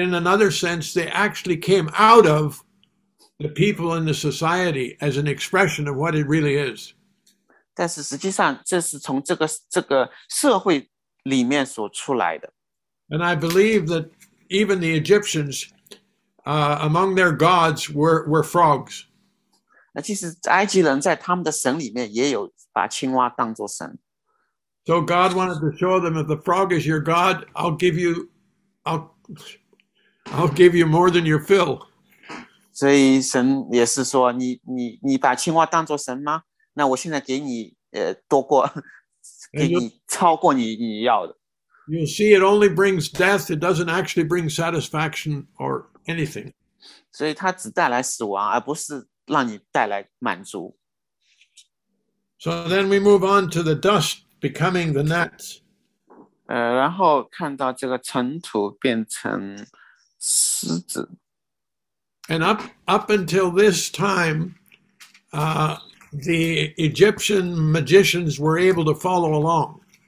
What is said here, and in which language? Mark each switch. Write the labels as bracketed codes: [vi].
[en] in another sense, they actually came out of the people in the society as an expression of what it really is. [zh] 但是实际上，这是从这个社会里面所出来的。 [en] And I believe that even the Egyptians, among their gods, were frogs. [zh] 那其实埃及人在他们的神里面也有把青蛙当作神。 [en] So God wanted to show them, if the frog is your God, I'll give you more than your fill. [zh] 所以神也是说，你把青蛙当作神吗？那我现在给你多过，给你超过你要的。 [en] You'll see it only brings death, it doesn't actually bring satisfaction or anything. [zh] 所以它只带来死亡，而不是让你带来满足。 [en] So then we move on to the dust becoming the gnats. [zh] 然后看到这个尘土变成狮子。 [en] And up until this time, the Egyptian magicians were able to follow along.